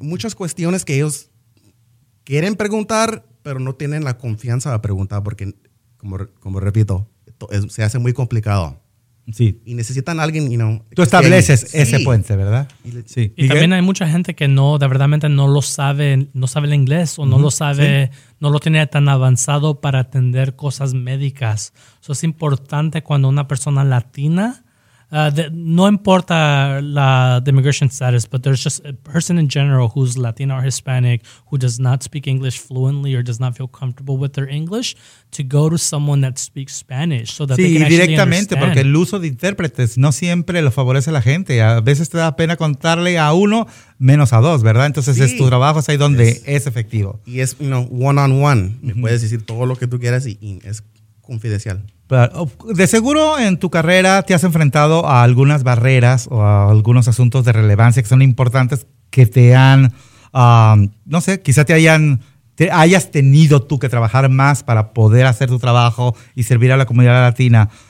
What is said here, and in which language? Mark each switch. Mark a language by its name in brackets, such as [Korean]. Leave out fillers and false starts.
[Spanish] Muchas cuestiones que ellos quieren preguntar, pero no tienen la confianza de preguntar porque, como repito, se hace muy complicado. Sí. Y necesitan a alguien, Tú estableces ese puente, ¿verdad? Sí. Y también hay mucha gente que no, de verdad, no lo sabe, no sabe el inglés, o no lo sabe, no lo tiene tan avanzado para atender cosas médicas. Eso es importante cuando una persona latina. No importa [English] the immigration status, but there's just a person in general who's Latino or Hispanic who does not speak English fluently or does not feel comfortable with their English to go to someone that speaks Spanish so that they can actually [Spanish] directamente, [English] understand. [Spanish] Porque el uso de intérpretes no siempre lo favorece a la gente. A veces te da pena contarle a uno menos a dos, ¿verdad? Entonces es tu trabajo, es ahí donde es efectivo. Y es, one-on-one. Me puedes decir todo lo que tú quieras y es confidencial. De seguro en tu carrera te has enfrentado a algunas barreras o a algunos asuntos de relevancia que son importantes que te han, quizá hayas tenido tú que trabajar más para poder hacer tu trabajo y servir a la comunidad latina.